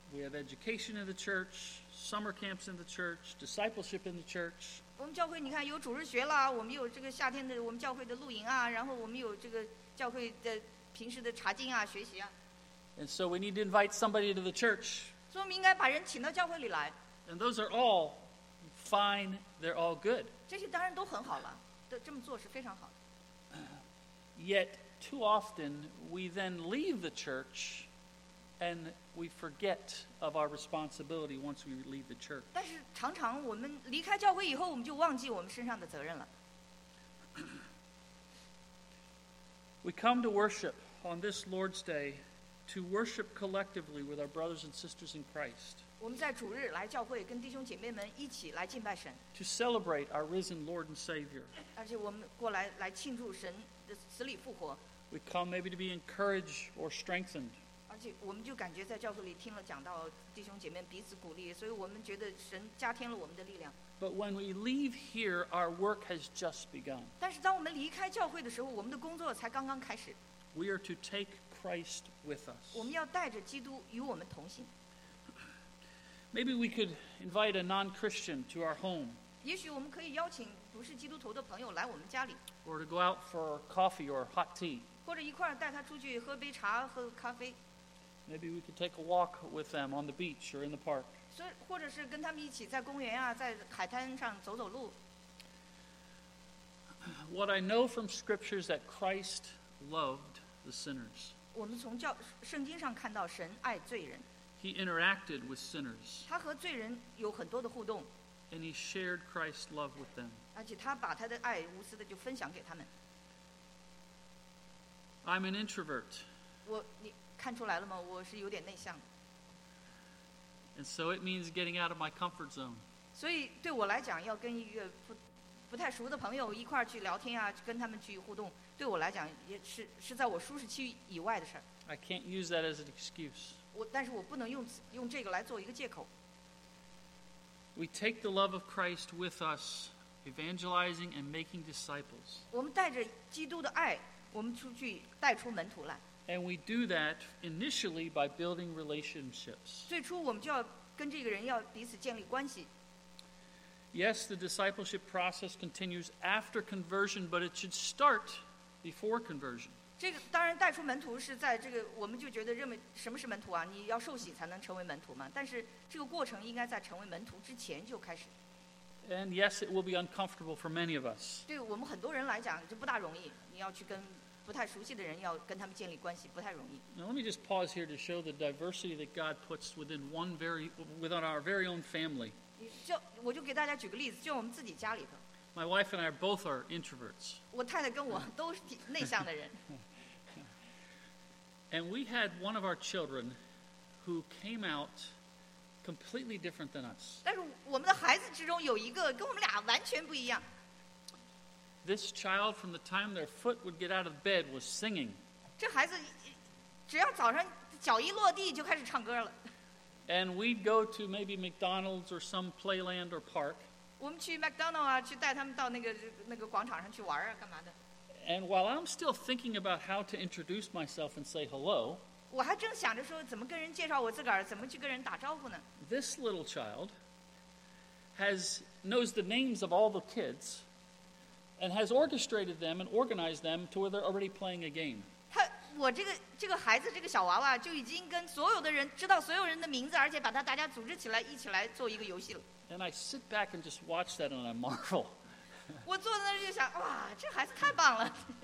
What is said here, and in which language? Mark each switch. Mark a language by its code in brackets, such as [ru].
[en] We have education in the church, summer camps in the church, discipleship in the church. [zh] 我们教会你看有主日学了，我们有这个夏天的我们教会的露营啊，然后我们有这个教会的平时的查经啊，学习啊。 [en] And so we need to invite somebody to the church. [zh] 所以我们应该把人请到教会里来。 [en] And those are all. Fine, they're all good. [zh] 这些当然都很好了，都这么做是非常好的。 [en] Yet too often we then leave the church, and we forget of our responsibility once we leave the church. [zh] 但是常常我们离开教会以后，我们就忘记我们身上的责任了。 [en] We come to worship on this Lord's Day to worship collectively with our brothers and sisters in Christ. [zh] 我们在主日来教会，跟弟兄姐妹们一起来敬拜神。 [en] To celebrate our risen Lord and Savior. [zh] 而且我们过来庆祝神的死里复活。 [en] We come maybe to be encouraged or strengthened. [zh] 而且我们就感觉在教会里听了讲到，弟兄姐妹彼此鼓励，所以我们觉得神加添了我们的力量。 [en] But when we leave here, our work has just begun. [zh] 但是当我们离开教会的时候，我们的工作才刚刚开始。 [en] We are to take Christ with us. [zh] 我们要带着基督与我们同行。 [en] Maybe we could invite a non-Christian to our home. [zh] 也许我们可以邀请不是基督徒的朋友来我们家里。 [en] Or to go out for coffee or hot tea. [zh] 或者一块儿带他出去喝杯茶喝咖啡。 [en] Maybe we could take a walk with them on the beach or in the park. [zh] 或者是跟他们一起在公园啊，在海滩上走走路。 [en] What I know from Scripture is that Christ loved the sinners. [zh] 我们从圣经上看到神爱罪人。 [en] He interacted with sinners. [zh] 他和罪人有很多的互动。 [en] And he shared Christ's love with them. [zh] 而且他把他的爱无私的就分享给他们。 [en] I'm an introvert. [zh] 你看出来了吗？我是有点内向。 [en] And so it means getting out of my comfort zone. [zh] 所以对我来讲，要跟一个不太熟的朋友一块去聊天啊，跟他们去互动，对我来讲也是在我舒适区以外的事儿。 [en] I can't use that as an excuse. [zh] 但是我不能用这个来做一个借口。 [en] We take the love of Christ with us, evangelizing and making disciples. [zh] 我们带着基督的爱，我们出去带出门徒来。 [en] And we do that initially by building relationships. [zh] 最初我们就要跟这个人要彼此建立关系。 [en] Yes, the discipleship process continues after conversion, but it should start before conversion. [zh] 这个当然带出门徒是在这个我们就觉得认为什么是门徒啊？你要受洗才能成为门徒嘛？但是这个过程应该在成为门徒之前就开始。 [en] And yes, it will be uncomfortable for many of us. [zh] 对我们很多人来讲就不大容易，你要去跟不太熟悉的人要跟他们建立关系不太容易。 [en] Now let me just pause here to show the diversity that God puts within one very within our very own family. [zh] 我就给大家举个例子，就我们自己家里头。 [en] My wife and I both are introverts. [zh] 我太太跟我都是内向的人。 [en] And we had one of our children who came out completely different than us. [zh] 但是我们的孩子之中有一个跟我们俩完全不一样。 [en] This child, from the time their foot would get out of bed, was singing. [zh] 这孩子只要早上脚一落地就开始唱歌了。 [en] And we'd go to maybe McDonald's or some playland or park. [zh] 我们去 McDonald 啊，去带他们到那个广场上去玩啊，干嘛的 [en] ？And while I'm still thinking about how to introduce myself and say hello, [zh] 我还正想着说怎么跟人介绍我自个儿，怎么去跟人打招呼呢 [en] ？This little child knows the names of all the kids, and has orchestrated them and organized them to where they're already playing a game. [zh] 我这个孩子这个小娃娃就已经跟所有的人知道所有人的名字，而且把他大家组织起来一起来做一个游戏了。 [en] And I sit back and just watch that and I marvel. [zh] 我坐在那就想，哇，这孩子太棒了。